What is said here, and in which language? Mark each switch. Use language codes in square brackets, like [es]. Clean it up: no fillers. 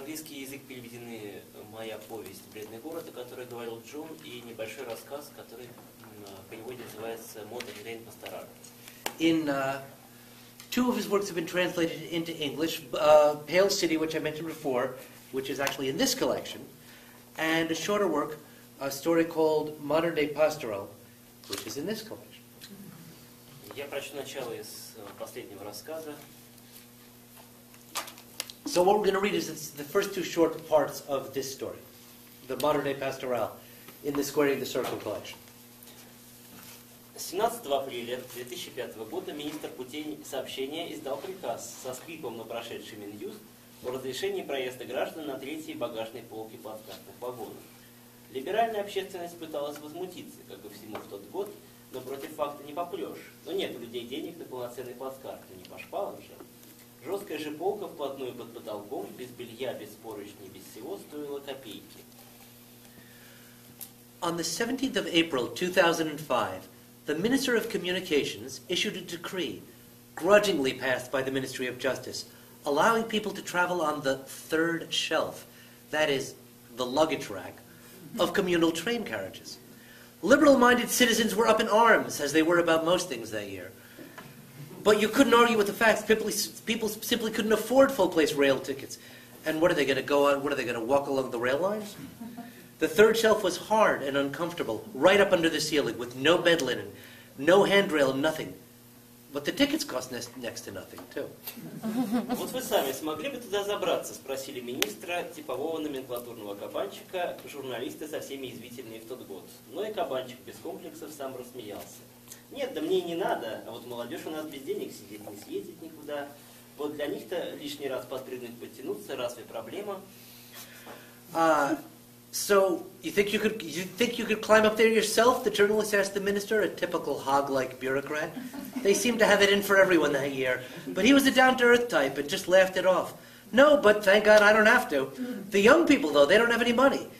[ru] язык переведены моя повесть «Бледный город», о которой говорил Джун, и небольшой рассказ, который в переводе называется «Modern Rain Pastoral». [en] Two of his works have been translated into English, Pale City, which I mentioned before, which is actually in this collection, and a shorter work, a story called Modern Day Pastoral, which is in this collection. [ru] Я прочту начало из последнего рассказа. [en] So what we're going to read is the first two short parts of this story, the Modern Day Pastoral, in the Square of the Circle collection. [ru] 17 апреля 2005 года министр путей сообщения издал приказ со скрипом на прошедший Минюст о разрешении проезда граждан на третьей багажной полке плацкартных вагонов. Либеральная общественность пыталась возмутиться, как и всему в тот год, но против факта не попрешь. Но нет у людей денег на полноценный плацкарт, не по шпалам же. Жесткая же полка вплотную под потолком, без белья, без поручней, без всего, стоила копейки. [en] On the 17th of April 2005, the Minister of Communications issued a decree, grudgingly passed by the Ministry of Justice, allowing people to travel on the third shelf, that is, the luggage rack, of communal train carriages. Liberal-minded citizens were up in arms, as they were about most things that year. But you couldn't argue with the facts. People simply couldn't afford full-place rail tickets. And what, are they going to go on? What, are they going to walk along the rail lines? The third shelf was hard and uncomfortable, right up under the ceiling, with no bed linen, no handrail, nothing. But the tickets cost next to nothing, too. [ru] Вот вы сами смогли бы туда забраться, спросили министра типового номенклатурного кабанчика, журналисты со всеми извительными в тот год. Но и кабанчик без комплексов сам рассмеялся. Нет, да мне и не надо, а вот молодежь у нас без денег сидит, не съездит никуда. Вот для них-то лишний раз подпрыгнуть, подтянуться, разве проблема? [en] So you think you could climb up there yourself? The journalist asked the minister, a typical hog-like bureaucrat. They seemed to have it in for everyone that year, but he was a down-to-earth type and just laughed it off. No, but thank God I don't have to. The young people, though, they don't have any money.